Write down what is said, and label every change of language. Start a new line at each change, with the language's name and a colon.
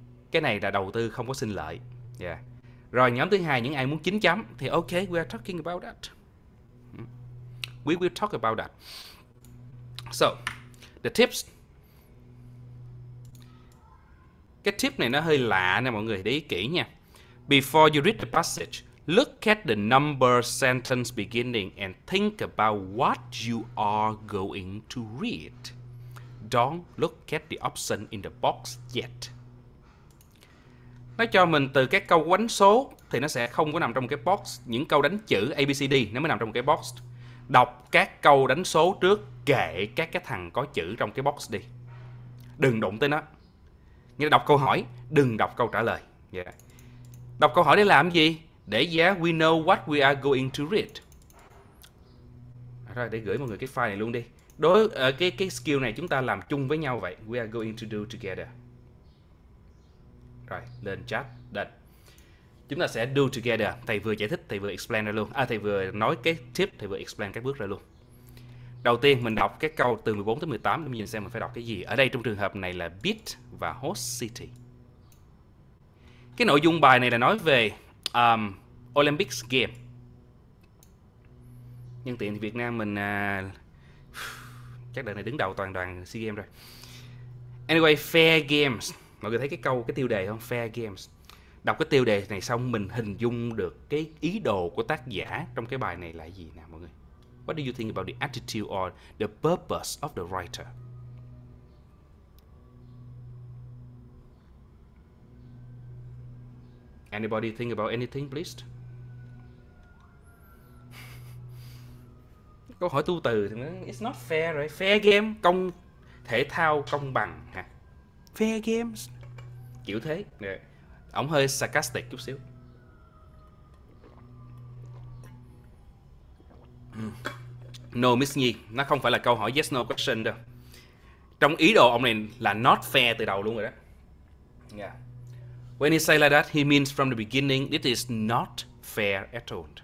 Vietnamese: Cái này là đầu tư không có sinh lợi. Rồi nhóm thứ hai, những ai muốn 9 chấm thì ok, we are talking about that. We will talk about that.
English: So, the tips.
Vietnamese: Cái tip này nó hơi lạ nè mọi người, để ý kỹ nha.
English: Before you read the passage, look at the number sentence beginning and think about what you are going to read. Don't look at the option in the box yet.
Vietnamese: Nó cho mình từ các câu đánh số thì nó sẽ không có nằm trong cái box. Những câu đánh chữ ABCD nó mới nằm trong cái box. Đọc các câu đánh số trước, kệ các cái thằng có chữ trong cái box đi. Đừng đụng tới nó. Nghĩa là đọc câu hỏi, đừng đọc câu trả lời. Đọc câu hỏi để làm gì?
English: Để we know what we are going to read.
Vietnamese: Rồi, để gửi mọi người cái file này luôn đi. Đối cái skill này chúng ta làm chung với nhau vậy.
English: We are going to do together. Rồi, lên chat, đặt.
Vietnamese: Chúng ta sẽ do together. Thầy vừa giải thích, thầy vừa explain ra luôn. À, thầy vừa nói cái tip, thầy vừa explain các bước ra luôn. Đầu tiên, mình đọc cái câu từ 14 tới 18. Để mình nhìn xem mình phải đọc cái gì. Ở đây, trong trường hợp này là beat và host city. Cái nội dung bài này là nói về Olympics game. Nhân tiện thì Việt Nam mình chắc đợt này đứng đầu toàn đoàn SEA Games rồi. Anyway, Fair Games. Mọi người thấy cái câu, cái tiêu đề không? Fair Games. Đọc cái tiêu đề này xong mình hình dung được cái ý đồ của tác giả trong cái bài này là gì nào mọi người?
English: What do you think about the attitude or the purpose of the writer? Anybody think about anything, please?
Vietnamese: Câu hỏi tu từ thì nó, it's not fair, right? Fair game, công thể thao công bằng ha. Fair games. Kiểu thế. Ổng hơi sarcastic chút xíu. No, Miss Nhi, nó không phải là câu hỏi yes no question đâu. Trong ý đồ ông này là not fair từ đầu luôn rồi đó.
English: Yeah. When he say like that, he means from the beginning, it is not fair at all.